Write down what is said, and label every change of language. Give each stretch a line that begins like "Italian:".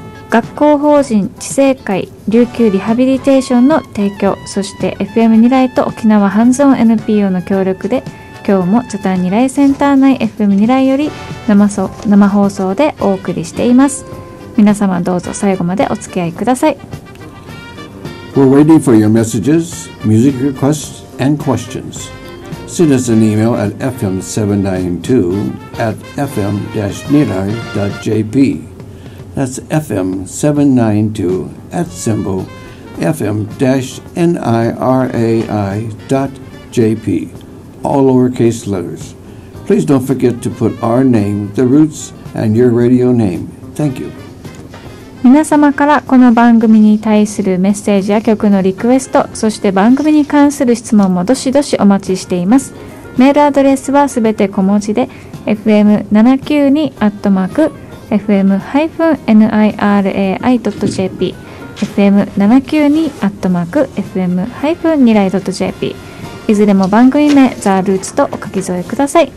Japanese: 学校法人知性会琉球リハビリテーションの提供、そして FM にらいと沖縄ハンズオン NPO の協力で今日も茶谷にらいセンター内 FM にらいより生放送でお送りしています。皆様どうぞ最後までお付き合いください。
English: We're waiting for your messages, music requests, and questions. Send us an email at fm792@fm-nilay.jp. That's fm792@fm-nilay.jp. All lowercase letters. Please don't forget to put our name, The Roots, and your radio name. Thank you.
Japanese: 皆様からこの番組に対するメッセージや曲のリクエスト、そして番組に関する質問もどしどしお待ちしています。メールアドレスはすべて小文字で fm792@fm-nirai.jp fm792@fm-nirai.jp、 いずれも番組名ザ・ルーツとお書き添えください。